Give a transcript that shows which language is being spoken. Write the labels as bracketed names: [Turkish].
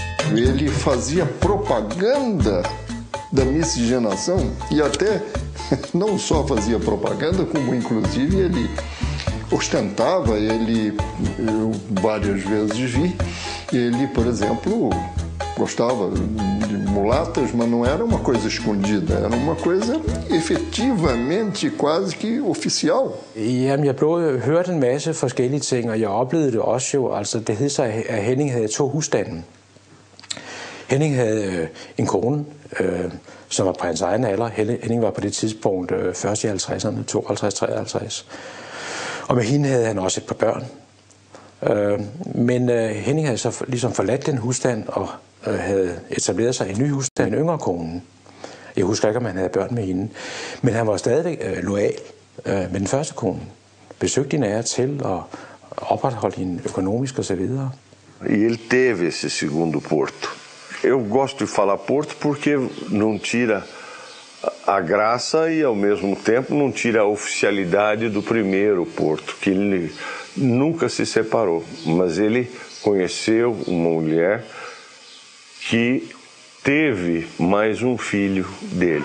[Portuguese] Ele fazia propaganda da miscigenação e até não só fazia propaganda, como inclusive ele ostentava, ele, eu várias vezes vi, ele, por exemplo, gostava de mulatas, mas não era uma coisa escondida, era uma coisa efetivamente quase que oficial. [Danish] Jamen, jeg prøvede at høre en masse forskellige ting, og jeg oplevede det også jo. Altså, det hed sig, at Henning havde to husstanden. Henning havde en kone, som var på hans egen alder. Henning var på det tidspunkt først i 50'erne, 52-53. Og med hende havde han også et par børn. Men Henning havde så ligesom forladt den husstand og havde etableret sig i en ny husstand, en yngre kone. Jeg husker ikke, om han havde børn med hende. Men han var stadig lojal med den første kone. Besøgte hende af til og opretholdt hende økonomisk osv. [Portuguese] Ele teve esse segundo porto. Eu gosto de falar porto porque não tira a graça e, ao mesmo tempo, não tira a oficialidade do primeiro porto, que ele nunca se separou. Mas ele conheceu uma mulher que teve mais um filho dele.